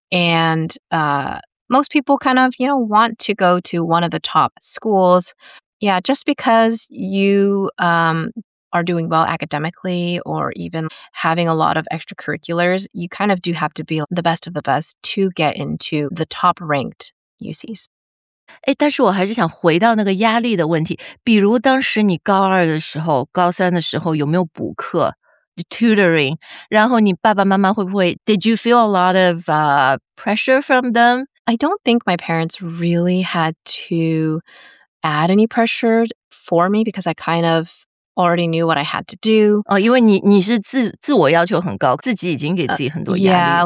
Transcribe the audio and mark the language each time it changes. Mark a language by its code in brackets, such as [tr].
[en] And most people kind of, you know, want to go to one of the top schools. Yeah, just because you are doing well academically or even having a lot of extracurriculars, you kind of do have to be the best of the best to get into the top ranked UCs. [zh] 哎，但是我还是想回到那个压力的问题。比如当时你高二的时候、高三的时候有没有补课 ，tutoring？然后你爸爸妈妈会不会 [en] ？Did you feel a lot of pressure from them? I don't think my parents really had to add any pressure for me because I kind of already knew what I had to do. [zh] 哦，因为你是自我要求很高，自己已经给自己很多压力。